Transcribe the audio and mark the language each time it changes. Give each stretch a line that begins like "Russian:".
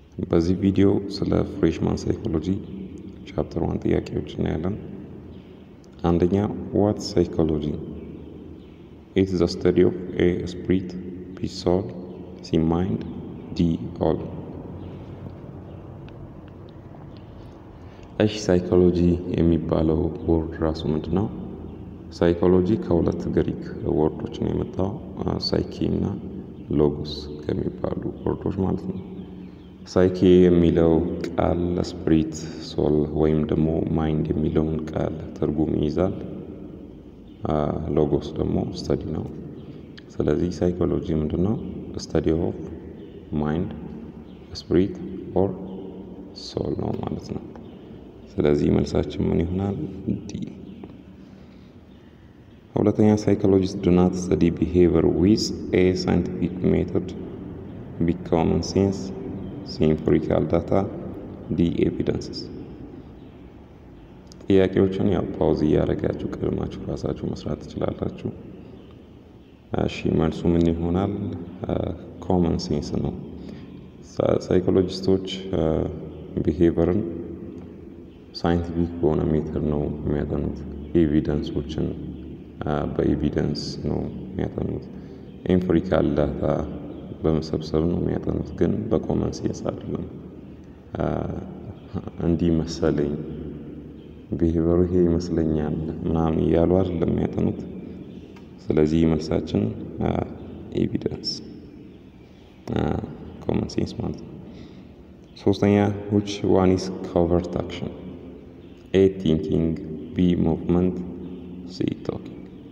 Amharic: በዚህ ቪዲዮ ስለ ፍሬሽማን ሳይኮሎጂ ቻፕተር 1 ጥያቄዎች እናያለን። አንደኛ
English: what psychology? It is a study of A, spirit, B, soul, C, mind, D, all.
Amharic: እሺ ሳይኮሎጂ የሚባለው ወርድ ራሱ ምንድነው? ሳይኮሎጂ ከሁለት ግሪክ ወርዶች ነው የመጣው ሳይኪና logos ከሚባሉ ወርዶች ማለት ነው። ሳይኬ የሚለው ቃል spirit, soul ወይም ደግሞ mind የሚለውን ቃል ትርጉም ይይዛል። logos ደግሞ study ነው። ስለዚህ ሳይኮሎጂ ምንድነው?
English: study of mind, spirit or soul
Amharic: ነው ማለት ነው። ስለዚህ መልሳችን ምን ይሆናል?
English: D.
Amharic: ሁለተኛ ሳይኮሎጂስት
English: do not study behavior with a scientific method, B, common sense, C, empirical data, D, evidences.
Amharic: ጥያቄዎቹን ያው ፓውዝ እያደረጋችሁ ቀድማችሁ ራሳችሁ መስራት ትችላላችሁ። እሺ መልሱ ምን ይሆናል? common sense ነው። ሳይኮሎጂስቶች ቢሄቨርን ሳይንቲፊክ በሆነ ሜትር ነው የሚያጠኑት። ኤቪደንሶችን በኤቪደንስ ነው የሚያጠኑት። ኤምፕሪካል ዳታ በመሰብሰብ ነው የሚያጠኑት፣ ግን በኮመን ሴንስ አይደለም። እንዲህ መሰለኝ ቢሄቨሩ ይሄ ይመስለኛል ምናምን እያሉ አይደለም የሚያጠኑት። ስለዚህ መልሳችን ኤቪደንስ ኮመን ሴንስ ማለት ነው። ሶስተኛ
English: ዊች ዋን ኢስ ኮቨርት አክሽን? A, thinking, B, movement, C, talking.